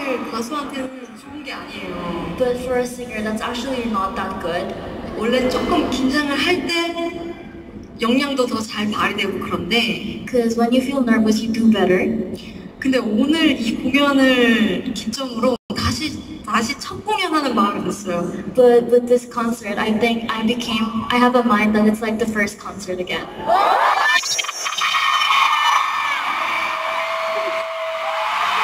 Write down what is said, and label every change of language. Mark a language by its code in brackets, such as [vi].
[ko] 가수한테는 좋은 게 아니에요. [en] But for a singer, that's actually not that good. [ko] 원래 조금 긴장을 할 때 역량도 더 잘 발휘되고 그런데. [en] Because when you feel nervous, you do better. [ko] 근데 오늘 이 공연을 기점으로 다시 첫 공연하는 마음이 들었어요. [en] But with this concert, I think I have a mind that it's like the first concert again.